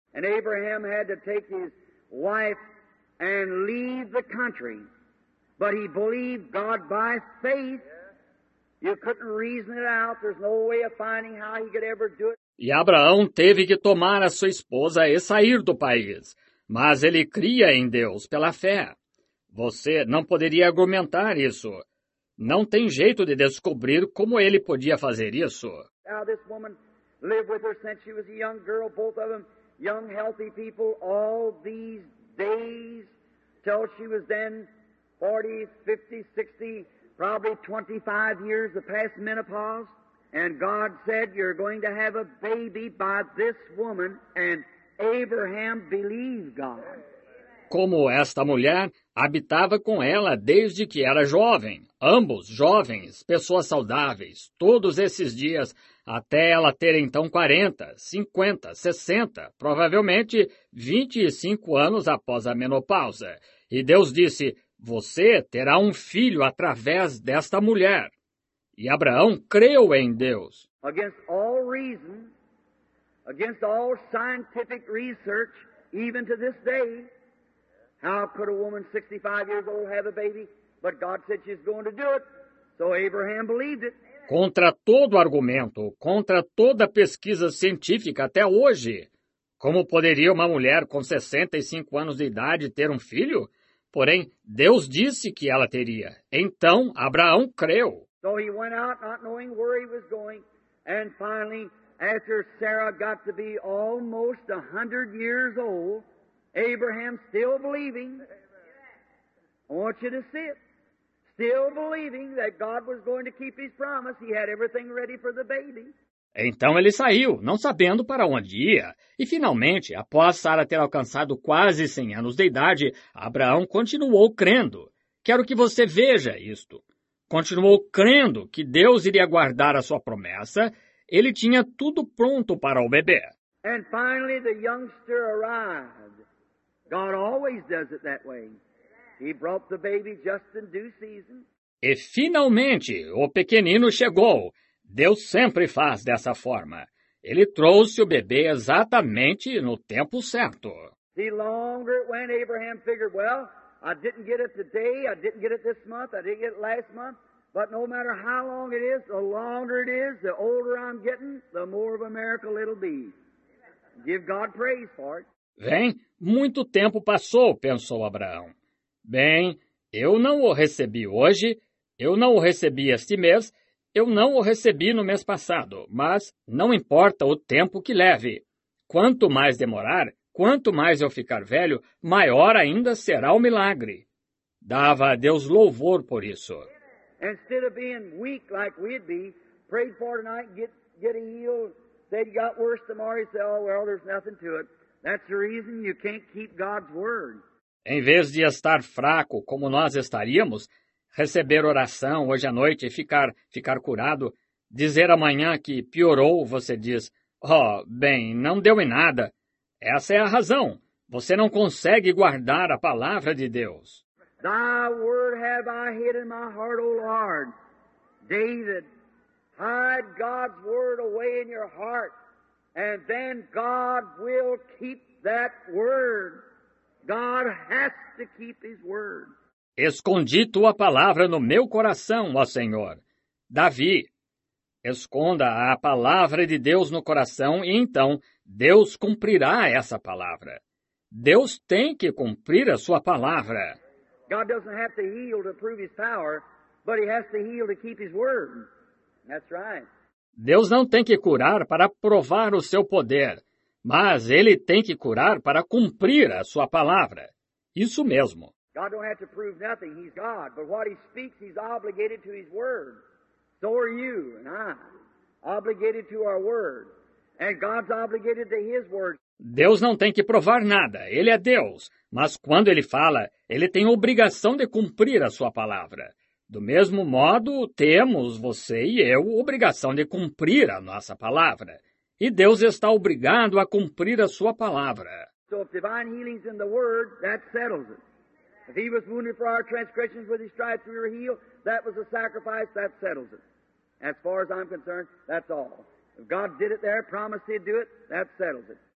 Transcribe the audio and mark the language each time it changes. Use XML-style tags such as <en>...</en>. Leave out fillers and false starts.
<en>And Abraham had to take his wife and leave the country, but he believed God by faith. You couldn't reason it out. There's no way of finding how he could ever do it.</en> <pt>E Abraão teve que tomar a sua esposa e sair do país, mas ele cria em Deus pela fé. Você não poderia argumentar isso. Não tem jeito de descobrir como ele podia fazer isso.</pt> <en>Now this woman lived with her since she was a young girl, both of them young, healthy people, all these days, till she was then 40, 50, 60, probably 25 years, the past menopause. And God said, you're going to have a baby by this woman, and Abraham believed God.</en> <pt>Como esta mulher habitava com ela desde que era jovem, ambos jovens, pessoas saudáveis, todos esses dias, até ela ter então 40, 50, 60, provavelmente 25 anos após a menopausa. E Deus disse, você terá um filho através desta mulher. E Abraão creu em Deus.</pt> <en>Against all reason, against all scientific research, even to this day, how could a woman 65 years old have a baby? But God said she's going to do it. So Abraham believed it.</en> <pt>Contra todo argumento, contra toda pesquisa científica até hoje, como poderia uma mulher com 65 anos de idade ter um filho? Porém, Deus disse que ela teria. Então, Abraão creu.</pt> <en>So he went out not knowing where he was going, and finally, after Sarah got to be almost 100 years old, Abraham still believing, I want you to see it, still believing that God was going to keep his promise, he had everything ready for the baby.</en> <pt>Então ele saiu, não sabendo para onde ia, e finalmente, após Sara ter alcançado quase 100 anos de idade, Abraão continuou crendo. Quero que você veja isto. Continuou crendo que Deus iria guardar a sua promessa, ele tinha tudo pronto para o bebê.</pt> <en>And finally the youngster arrived. God always does it that way. He brought the baby just in due season.</en> <pt>E finalmente, o pequenino chegou. Deus sempre faz dessa forma. Ele trouxe o bebê exatamente no tempo certo.</pt> <en>The longer it went, Abraham figured, well, I didn't get it today, I didn't get it this month, I didn't get it last month. But no matter how long it is, the longer it is, the older I'm getting, the more of a miracle it'll be. Give God praise for it.</en> <pt>Bem, muito tempo passou, pensou Abraão. Bem, eu não o recebi hoje, eu não o recebi este mês, eu não o recebi no mês passado, mas não importa o tempo que leve. Quanto mais demorar, quanto mais eu ficar velho, maior ainda será o milagre. Dava a Deus louvor por isso.</pt> <en>Instead of being weak like we'd be, prayed for tonight, get healed, said you got worse tomorrow, said, oh, well, there's nothing to it. That's the reason you can't keep God's word.</en> <pt>Em vez de estar fraco como nós estaríamos, receber oração hoje à noite e ficar curado, dizer amanhã que piorou, você diz, oh, bem, não deu em nada. Essa é a razão. Você não consegue guardar a palavra de Deus.</pt> <en>Thy word have I hid in my heart, O Lord. David, hide God's word away in your heart. And then God will keep that word. God has to keep his word.</en> <pt>Escondi tua palavra no meu coração, ó Senhor. Davi, esconda a palavra de Deus no coração e então Deus cumprirá essa palavra. Deus tem que cumprir a sua palavra.</pt> <en>God doesn't have to heal to prove his power, but he has to heal to keep his word. That's right.</en> <pt>Deus não tem que curar para provar o seu poder, mas ele tem que curar para cumprir a sua palavra. Isso mesmo.</pt> <en>God don't have to prove nothing. He's God, but what he speaks, he's obligated to his word. So are you and I, obligated to our word. And God's obligated to his word.</en> <pt>Deus não tem que provar nada. Ele é Deus, mas quando ele fala, ele tem obrigação de cumprir a sua palavra. Do mesmo modo, temos, você e eu, obrigação de cumprir a nossa palavra. E Deus está obrigado a cumprir a sua palavra.</pt> <en>So if divine healing's in the Word, that settles it. If He was wounded for our transgressions, with His stripes we were healed, that was a sacrifice, that settles it. As far as I'm concerned, that's all. If God did it there, promised He'd do it, that settles it.</en>